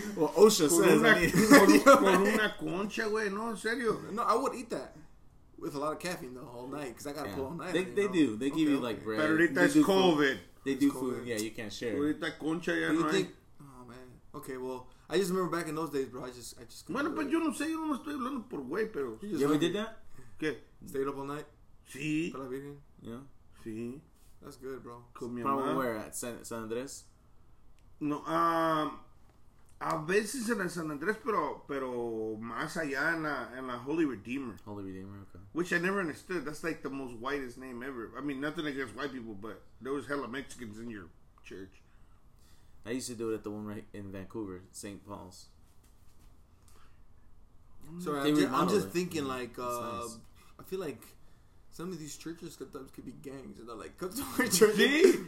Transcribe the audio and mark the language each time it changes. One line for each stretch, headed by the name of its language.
English: Well, OSHA says.
Spanish: Con una concha, güey. No, en serio.
English: No, I would eat that. With a lot of caffeine the whole night, because I got to pull all night. They do. They give you, like, bread. But ahorita it's COVID. They do food. Yeah, you can't share.
Spanish: Ahorita concha ya no hay.
English: Oh, man. Okay, well, I just remember back in those days, bro. I just
Spanish: bueno, pero yo no sé. Yo no estoy hablando por güey, pero.
English: You ever did that?
Spanish: ¿Qué?
English: Stayed up all night?
Spanish: Sí. Para la Virgen?
English: Yeah.
Spanish: Sí.
English: That's good, bro. Probably where at? San Andrés?
Spanish: No, a veces en San Andrés, pero más allá en la Holy Redeemer.
English: Holy Redeemer, okay. Which I never understood. That's like the most whitest name ever. I mean, nothing against white people, but there was hella Mexicans in your church. I used to do it at the one right in Vancouver, St. Paul's. Sorry, I'm just thinking like, nice. I feel like some of these churches sometimes could be gangs. And they're like, come to our church.